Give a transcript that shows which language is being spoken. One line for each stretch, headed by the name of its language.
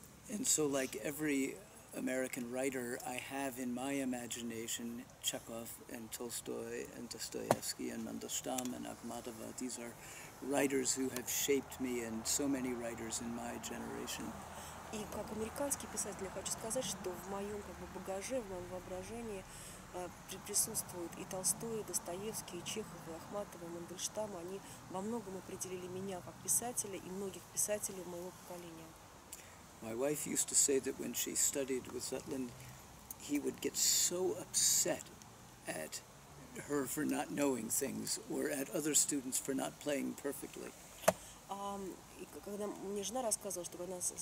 English: And so, like every American writer, I have in my imagination Chekhov and Tolstoy and Dostoevsky and Mandelstam and Akhmatova. These are writers who have shaped me, and so many writers in my generation.
Russian: И как американский писатель, я хочу сказать, что в моем как бы багаже, в моем воображении присутствуют и Толстой, и Достоевский, и Чехов, и Ахматова, и Мандельштам. Они во многом определили меня как писателя и многих писателей моего поколения.
English: My wife used to say that when she studied with Zutland, he would get so upset at her for not knowing things or at other students for not playing perfectly.
Russian: И когда мне жена рассказывала, что она